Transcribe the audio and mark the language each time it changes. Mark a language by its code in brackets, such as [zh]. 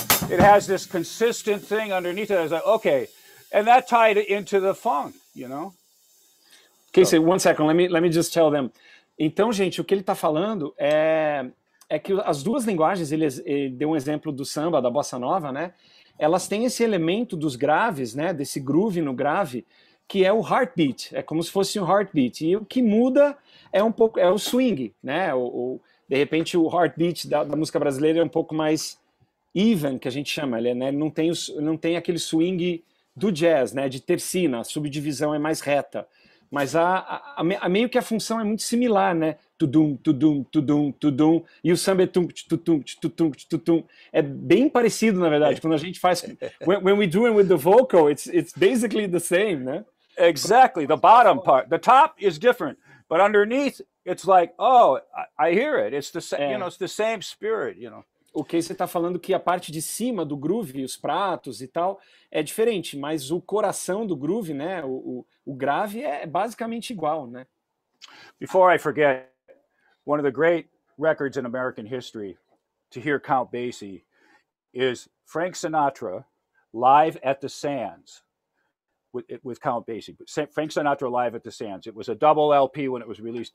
[en] It has this consistent thing underneath it. I was like, okay. And that tied into the funk, you know? Casey, so. One second. Let me just tell them. [pt] Então, gente, o que ele está falando é que as duas linguagens, ele deu um exemplo do samba, da bossa nova, né? Elas têm esse elemento dos graves, né? Desse groove no grave, que é o heartbeat. É como se fosse um heartbeat. E o que muda é um pouco, é o swing, né? De repente, o heartbeat da música brasileira é um pouco mais... Even, que a gente chama, ele, né, não tem aquele swing do jazz, né, de tercina, a subdivisão é mais reta. Mas a meio que a função é muito similar, né? Tudum, tudum, tudum, tudum. E o samba é tum, tutum, tutum, tutum. É bem parecido, na verdade, quando a gente faz. [en] When we do it with the vocal, it's basically the same, né? Exactly, the bottom part. The top is different, but underneath, it's like, oh, I hear it. It's the same, you know, it's the same spirit, you know. [pt] O Casey está falando que a parte de cima do groove, os pratos e tal, é diferente, mas o coração do groove, né, o grave é basicamente igual, né? [en] Before I forget, one of the great records in American history to hear Count Basie is Frank Sinatra live at the Sands with Count Basie. Frank Sinatra live at the Sands. It was a double LP when it was released.